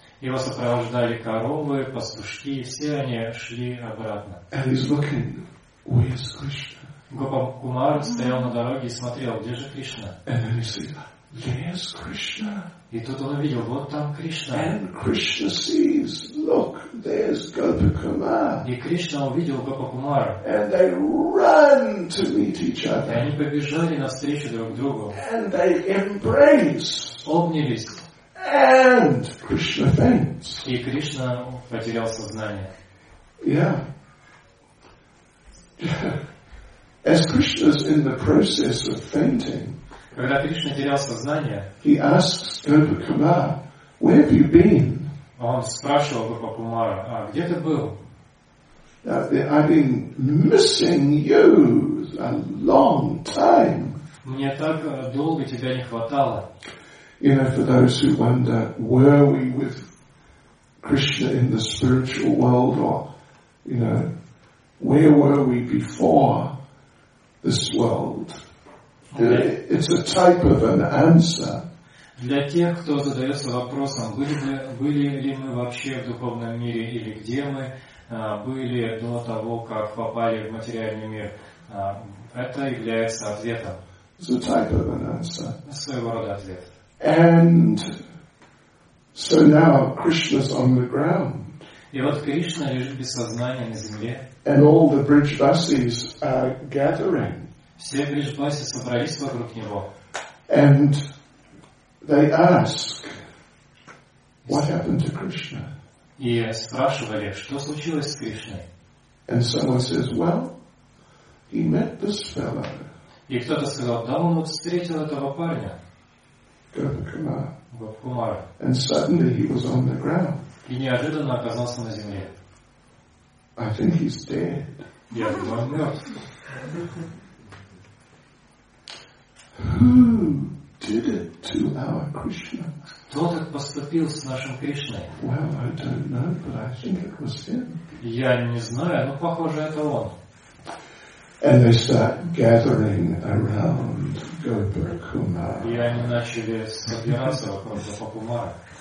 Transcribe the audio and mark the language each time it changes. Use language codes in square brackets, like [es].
[ru] Его сопровождали коровы, пастушки, и все они шли обратно. [en] And he's looking, where is Krishna? [ru] Гопикумар стоял на дороге и смотрел, где же Кришна? [en] And then he said, there's Krishna. [ru] И тут он увидел, вот там Кришна. [en] And Krishna sees, look, there's Gopikumā. [ru] И Кришна увидел Гопикумара. [en] And they run to meet each other. [ru] И они побежали навстречу друг другу. [en] And they embrace. [ru] Обнялись. [en] And Krishna faints. [ru] И Кришна потерял сознание. [en] Yeah. As Krishna's in the process of fainting, [ru] когда Кришна терял сознание, [en] he asks Gopikumā, "Where have you been?" [ru] Он спрашивал Гопикумара, "А где ты был?" [en] "I've been missing you a long time." [ru] Мне так долго тебя не хватало. [en] You know, for those who wonder, were we with Krishna in the spiritual world, or, you know, where were we before this world? It's a type of an answer. [ru] Для тех, кто задается вопросом, были ли мы вообще в духовном мире или где мы были до того, как попали в материальный мир, это является ответом. [en] It's a type of an answer. [ru] Своего рода ответ. [en] And so now Krishna's on the ground. [ru] И вот Кришна лежит без сознания на земле. [en] And all the Brijvasis are gathering. [ru] Все Брижбаси собрались вокруг него. [en] And they ask, what happened to Krishna? [ru] И спрашивали, что случилось с Кришной? [en] And someone says, well, he met this fellow. [ru] И кто-то сказал, да, он вот встретил этого парня. [en] Gopikumā. And suddenly he was on the ground. [ru] И неожиданно оказался на земле. [en] I think he's dead. [ru] Я думаю, он мертв. [en] Who did it to our Krishna? [ru] Кто так поступил с нашим Кришной? [en] Well, I don't know, but I think it was him. [ru] Я не знаю, но похоже, это он. [en] And they start gathering around Гопакумара. [ru] И они начали собираться вокруг Гопакумара.